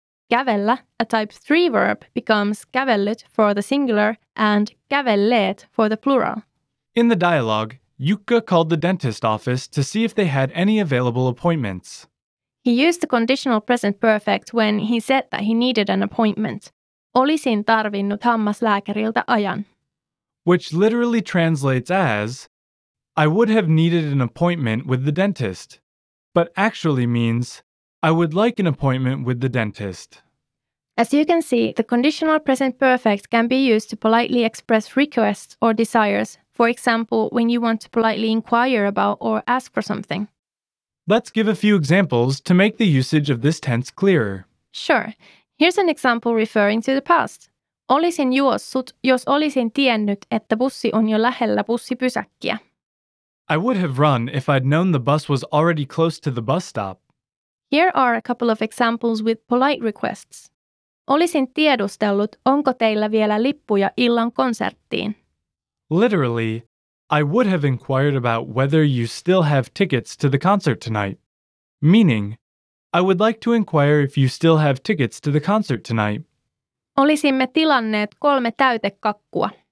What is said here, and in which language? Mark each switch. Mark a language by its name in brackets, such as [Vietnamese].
[English] Kävellä, a type 3 verb, becomes kävellyt for the singular and kävelleet for the plural. In the dialogue, Jukka called the dentist office to see if they had any available appointments. He used the conditional present perfect when he said that he needed an appointment. [Finnish] Olisin tarvinnut hammaslääkäriltä ajan. [English] Which literally translates as, I would have needed an appointment with the dentist, but actually means, I would like an appointment with the dentist. As you can see, the conditional present perfect can be used to politely express requests or desires, for example, when you want to politely inquire about or ask for something. Let's give a few examples to make the usage of this tense clearer. Sure. Here's an example referring to the past. [Finnish] Olisin juossut, jos olisin tiennyt, että bussi on jo lähellä bussipysäkkiä. [English] I would have run if I'd known the bus was already close to the bus stop. Here are a couple of examples with polite requests. [Finnish] Olisin tiedustellut, onko teillä vielä lippuja illan konserttiin. [English] Literally, I would have inquired about whether you still have tickets to the concert tonight. Meaning, I would like to inquire if you still have tickets to the concert tonight. [Finnish] Olisimme tilanneet 3 täytekakkua.